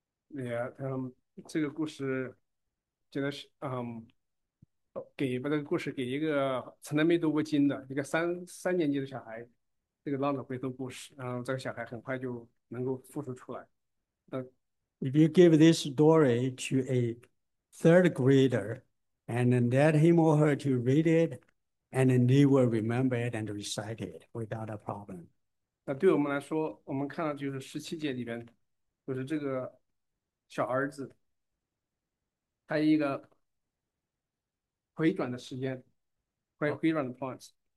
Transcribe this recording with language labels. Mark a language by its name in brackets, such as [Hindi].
[Chinese] Yeah, 这个故事真的是 给把这个故事给一个从来没读过经的一个三年级的小孩，这个浪子回头故事，然后这个小孩很快就能够复述出来。 [English] If you give this story to a third grader and then let him or her to read it, and then they will remember it and recite it without a problem. [Chinese] 那对我们来说，我们看到就是十七节里边，就是这个小儿子，他一个回转的时间，回转的 points.